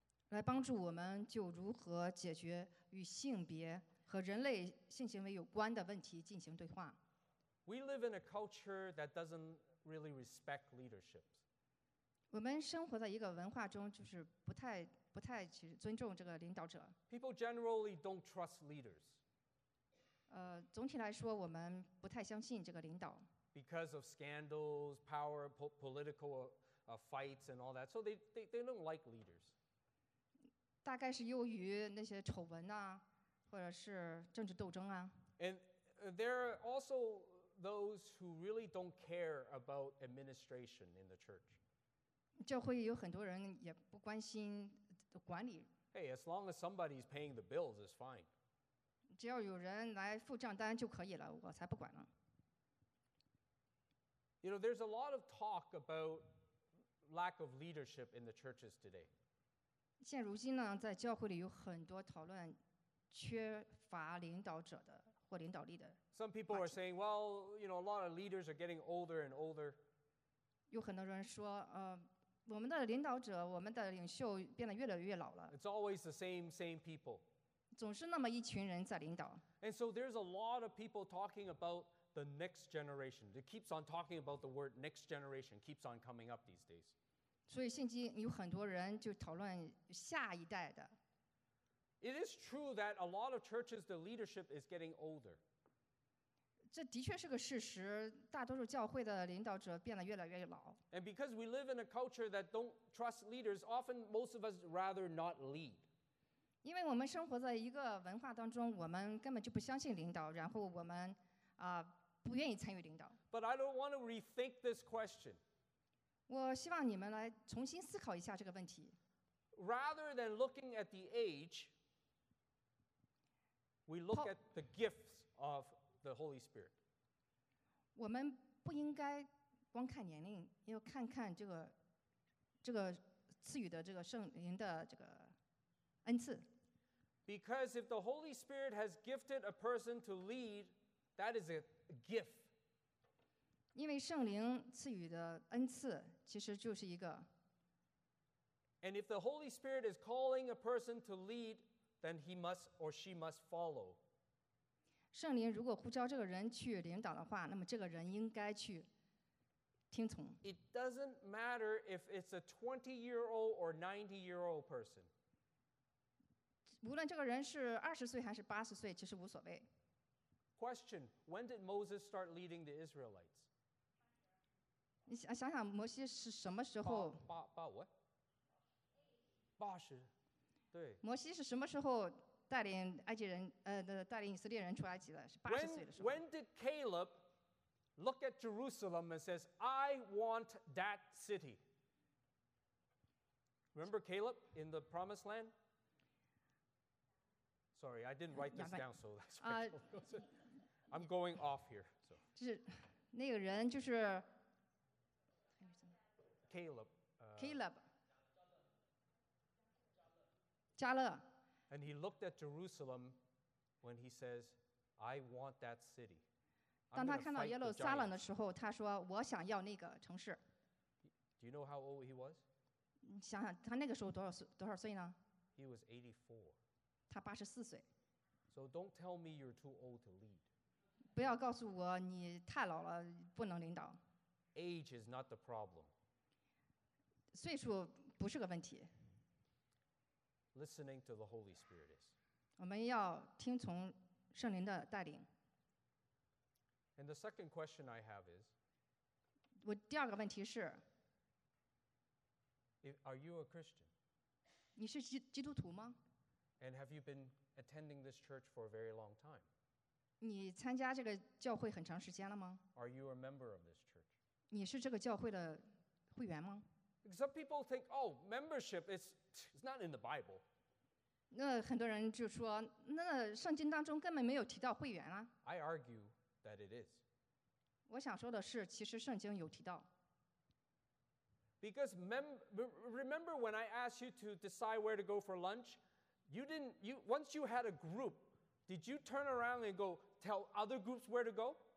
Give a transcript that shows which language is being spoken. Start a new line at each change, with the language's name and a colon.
Chinese: 来帮助我们就如何解决与性别和人类性行为有关的问题进行对话。
English: We live in a culture that doesn't really respect leadership.
Chinese: 我们生活在一个文化中，就是不太去尊重这个领导者。
English: People generally don't trust leaders.
Chinese: 总体来说，我们不太相信这个领导。
English: Because of scandals, power, political fights, and all that, so they don't like leaders.
Chinese: 大概是由于那些丑闻啊，或者是政治斗争啊。
English: And there are also those who really don't care about administration in the church.
Chinese: 教会有很多人也不关心。
English: Hey, as long as somebody's paying the bills, it's fine.
Chinese: 只要有人来付账单就可以了，我才不管呢。
English: You know, there's a lot of talk about lack of leadership in the churches today.
Chinese: 现如今呢，在教会里有很多讨论缺乏领导者的或领导力的。
English: Some people are saying, well, you know, a lot of leaders are getting older and older.
Chinese: 有很多人说，我们的领导者，我们的领袖变得越来越老了。
English: It's always the same people.
Chinese: 总是那么一群人在领导。
English: And so there's a lot of people talking about. The next generation. It keeps on talking about the word next generation. Keeps on coming up these days.
Chinese: 所以现今有很多人就讨论下一代的。
English: It is true that a lot of churches, the leadership is getting older.
Chinese: 这的确是个事实，大多数教会的领导者变得越来越老。
English: And because we live in a culture that don't trust leaders, often most of us rather not lead.
Chinese: 因为我们生活在一个文化当中，我们根本就不相信领导，然后我们。不愿意参与领导。
English: But I don't want to rethink this question.
Chinese: 我希望你们来重新思考一下这个问题。
English: Rather than looking at the age, we look at the gifts of the Holy Spirit.
Chinese: 我们不应该光看年龄，要看看这个赐予的这个圣灵的这个恩赐。
English: Because if the Holy Spirit has gifted a person to lead,That is a gift.
Chinese: 因为圣灵赐予的恩赐其实就是一个。
English: And if the Holy Spirit is calling a person to lead, then he must or she must follow.
Chinese: 圣灵如果呼召这个人去领导的话，那么这个人应该去听从。
English: It doesn't matter if it's a 20-year-old or 90-year-old person.
Chinese: 无论这个人是20岁还是80岁，其实无所谓。
English: Question: When did Moses start leading the Israelites?
Chinese: 你想想摩西是什么时候？八
English: what?
Chinese: 八十，对。摩西是什么时候带领埃及人带领以色列人出埃及的？是八十岁的时候。
English: When did Caleb look at Jerusalem and says, "I want that city"? Remember Caleb in the Promised Land? Sorry, I didn't write this down, so that's why. I'm going off here. So.
Chinese: 就是那个人就是
English: Caleb. Caleb.
Chinese: 加勒
English: And he looked at Jerusalem when he says, "I want that city."
Chinese: 当他看到耶路撒冷的时候，他说：“我想要那个城市。”
English: Do you know how old he was?
Chinese: 你想想他那个时候多少岁呢？
English: He was 84.
Chinese: 他八十四岁。
English: So don't tell me you're too old to lead.
Chinese: 不要告诉我你太老了不能领导。
English: Age is not the problem.
Chinese: 岁数不是个问题。
English: Listening to the Holy Spirit is.
Chinese: 我们要听从圣灵的带领。
English: And the second question I have is.
Chinese: 我第二个问题是。
English: Are you a Christian?
Chinese: 你是基督徒吗？
English: And have you been attending this church for a very long time?
Chinese: 你参加这个教会很长时间了吗？
English: Are you a member of this church?
Chinese: 你是这个教会的会员吗？
English: Some people think, oh, membership is not in the Bible.
Chinese: 那很多人就说，那圣经当中根本没有提到会员啊。
English: I argue that it is.
Chinese: 我想说的是，其实圣经有提到。
English: Because remember when I asked you to decide where to go for lunch, once you had a group. Did you turn around and go tell other groups where to go?